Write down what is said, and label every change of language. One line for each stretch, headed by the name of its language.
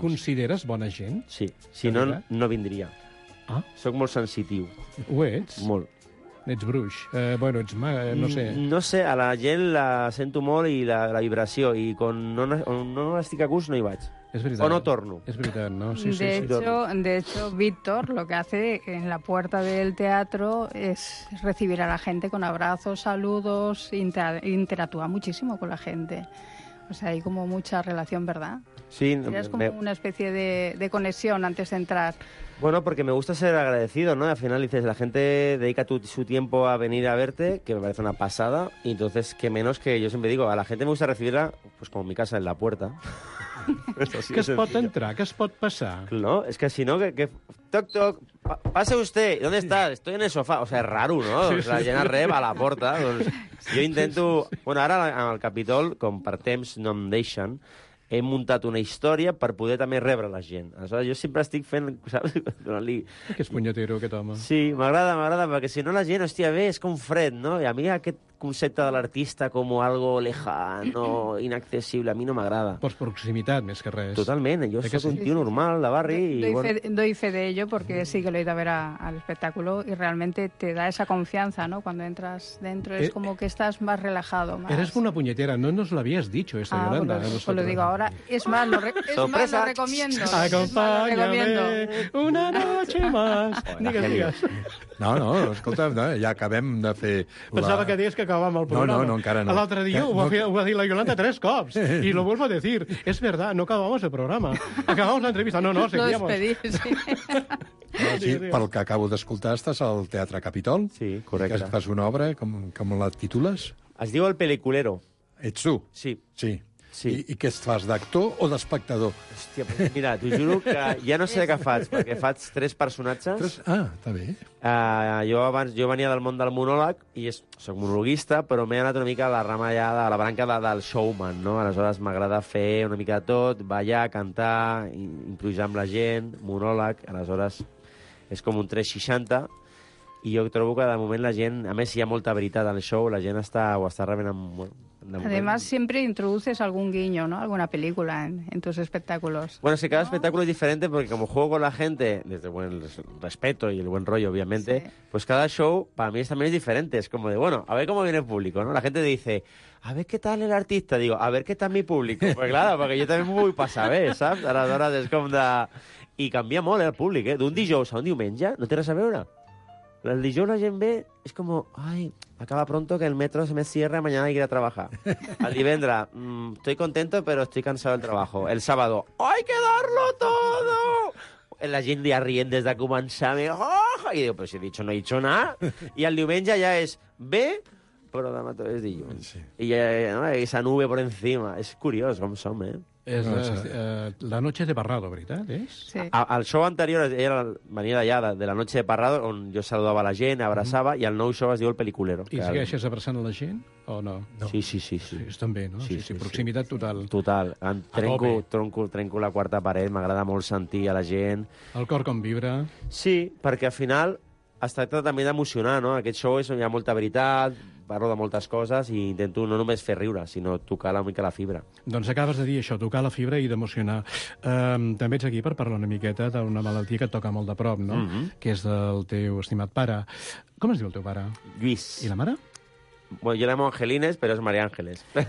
Catalan: Consideres bona gent? Sí, si no, no vindria. Ah? Soc molt sensitiu. Ho ets? Molt. Ets bruix. Bueno, ets mag, no sé. No sé, a la gent la sento molt i la vibració, i quan no estic a gust no hi vaig. És veritat. O no torno. És veritat, no? Sí, de sí.
Spanish: De hecho, Víctor lo que hace en la puerta del teatro es recibir a la gente con abrazos, saludos, interactúa muchísimo con la gente. O sea, hay como mucha relación, ¿verdad? Sí. Es como una especie de conexión antes de entrar. Bueno, porque me gusta ser agradecido, ¿no? Al final dices, la gente dedica su tiempo a venir a verte, que me parece una pasada. Y entonces, qué menos que yo siempre digo, a la gente me gusta recibirla, pues como en mi casa, en la puerta.
Catalan: Sí, que es pot entrar, que es pot passar.
Spanish: No, es que si no, que toc, toc, pase usted, ¿dónde está? Estoy en el sofá. O sea, es raro, ¿no?
Catalan: Sí, sí. La llena reba a la porta. Doncs jo intento... Sí, sí, sí. Bueno, ara, en el Capitol, com per temps no em deixen, he muntat una història per poder també rebre la gent. Aleshores, jo sempre estic fent... Donant-li... Que és punyetero, aquest home. Sí, m'agrada, perquè si no la gent, hòstia, bé, és com fred, no? I a mi aquest concepte de l'artista com
Spanish: algo lejano,
Catalan: inaccessible, a mi no m'agrada. Pues proximitat, més que res. Totalment, jo sóc un tio normal, de barri...
Spanish: Doy fe de ello, porque sí que lo he ido a ver al espectáculo, y realmente te da esa confianza, ¿no?, cuando entras dentro, es como que estás más relajado, más... Eres una puñetera, no nos lo habías dicho, esta Yolanda. Ah, pues lo digo ahora. Es más, lo recomiendo. Acompáñame una noche más.
Catalan: Digues. No, no, escolta, no, ja acabem de fer... Pensava que deies que acabàvem el programa. No, encara no. L'altre dia ho va dir la Yolanda 3 cops.
Spanish: I lo vuelvo a decir. Es verdad, no acabamos el programa. Acabamos la entrevista. No, seguíamos. No despedís.
Catalan: No, sí, pel que acabo d'escoltar, estàs al Teatre Capitol. Sí, correcte. Que fas una obra, com la titules? Es diu El Peliculero. Ets tu? Sí. Sí. Sí. I què fas, d'actor o d'espectador? Hòstia, mira, t'ho juro que ja no sé què faig, perquè faig 3 personatges. Està bé. Jo venia del món del monòleg, i soc monologuista, però m'he anat una mica a la rama allà, a la branca del showman, no? Aleshores, m'agrada fer una mica de tot, ballar, cantar, improvisar amb la gent, monòleg, aleshores, és com un 360, i jo trobo que de moment la gent, a més, si hi ha molta veritat en el show, la gent ho està rebent amb...
Spanish: Además, siempre introduces algún guiño, ¿no?, alguna película en tus espectáculos. Bueno, sí, cada espectáculo es diferente, porque como juego con la gente, desde buen respeto y el buen rollo, obviamente, sí, pues cada show para mí también es diferente. Es como de, bueno, a ver cómo viene el público, ¿no? La gente dice, a ver qué tal el artista. Digo, a ver qué tal mi público. Pues claro, porque yo también voy para saber, ¿sabes? A las horas es como de... Y cambia molt el público, ¿eh? De un dijous a un diumenge, no tienes a veure.
Catalan: El dijous la gent ve, és com, ai,
Spanish: acaba pronto que el metro se me cierra, mañana hay que ir a trabajar. El divendres, estoy contento, pero estoy cansado del trabajo. El sábado, hay que darlo todo.
Catalan: La gent ja rient des de començar, i diu, però
Spanish: si he dicho no he dicho nada.
Catalan: I el diumenge ja és, ve, però demà tot és dilluns. Sí. I no,
Spanish: esa nube por encima.
Catalan: És curiós com som, eh? És la Noche de Parrado, veritat, eh? Sí. El show anterior era venia d'allà, de la Noche de Parrado, on jo saludava la gent, abraçava, i el nou show es diu El Peliculero. I segueixes abraçant la gent, o no? Sí. És també, no? Sí, proximitat total. Total. Trenco la quarta paret, m'agrada molt sentir a la gent. El cor com vibra. Sí, perquè al final es tracta també d'emocionar, no? Aquest show és on hi ha molta veritat... Parlo de moltes coses i intento no només fer riure, sinó tocar una mica la fibra. Doncs acabes de dir això, tocar la fibra i d'emocionar. També ets aquí per parlar una miqueta d'una malaltia que et toca molt de prop, no? Mm-hmm. Que és del teu estimat pare. Com es diu el teu pare? Lluís. I la mare?
Spanish: Bueno, yo la llamo Angelines, pero es María Ángeles.